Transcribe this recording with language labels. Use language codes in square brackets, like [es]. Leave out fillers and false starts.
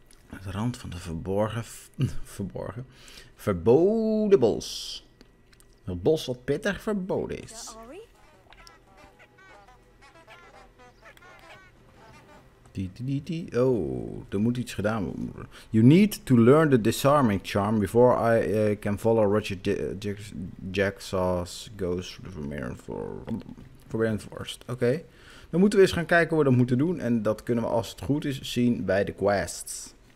[nl] Naar de rand van de verboden bos. Het bos wat pittig verboden is. Oh, er moet iets gedaan worden. [en] You need to learn the disarming charm before I can follow Richard Jacksaw's ghost to the Forbidden Forest. [nl] Oké. Dan moeten we eens gaan kijken hoe we dat moeten doen. En dat kunnen we als het goed is zien bij de quests.